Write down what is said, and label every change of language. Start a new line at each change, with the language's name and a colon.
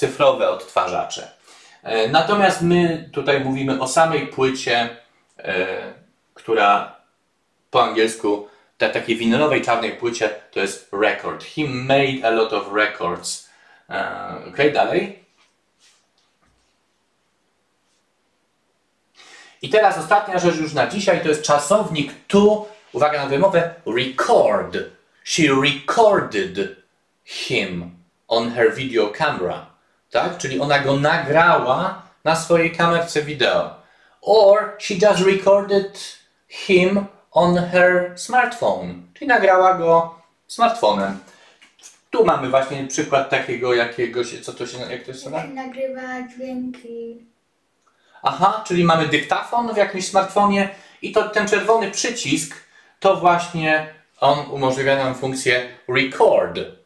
Polish: Cyfrowe odtwarzacze. Natomiast my tutaj mówimy o samej płycie, która po angielsku, takiej winylowej czarnej płycie, to jest record.
English: He made a lot of records. Ok,
Polish: dalej. I teraz ostatnia rzecz już na dzisiaj, to jest czasownik to, uwaga na wymowę, record.
English: She recorded him on her video camera.
Polish: Tak? Czyli ona go nagrała na swojej kamerce wideo.
English: Or she just recorded him on her smartphone.
Polish: Czyli nagrała go smartfonem. Tu mamy właśnie przykład takiego jakiegoś, co to się, jak to się nazywa? Nagrywa dźwięki. Aha, czyli mamy dyktafon w jakimś smartfonie i to ten czerwony przycisk, to właśnie on umożliwia nam funkcję record.